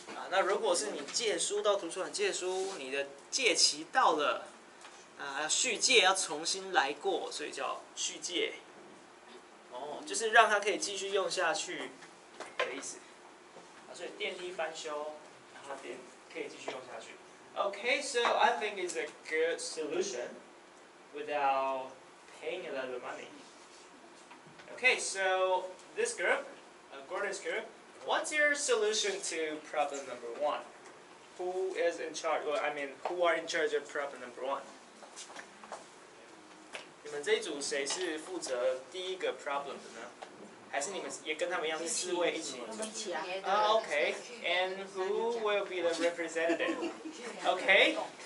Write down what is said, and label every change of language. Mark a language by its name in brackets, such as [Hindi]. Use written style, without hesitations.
[Chinese] 那如果是你借书到图书馆借书， 你的借期到了， 续借要重新来过， 所以叫续借。就是让它可以继续用下去的意思，所以电梯翻修，然后电可以继续用下去。 [English] Okay, so I think it's a good solution without paying a lot of money. Okay, so this group, Gordon's group, what's your solution to problem number one? Who is in charge? Well, I mean, who are in charge of problem number one? [Chinese] 你们这一组谁是负责第一个 problem 的呢？还是你们也跟他们一样是四位一起？ [English] Okay, and who will be the representative? Okay,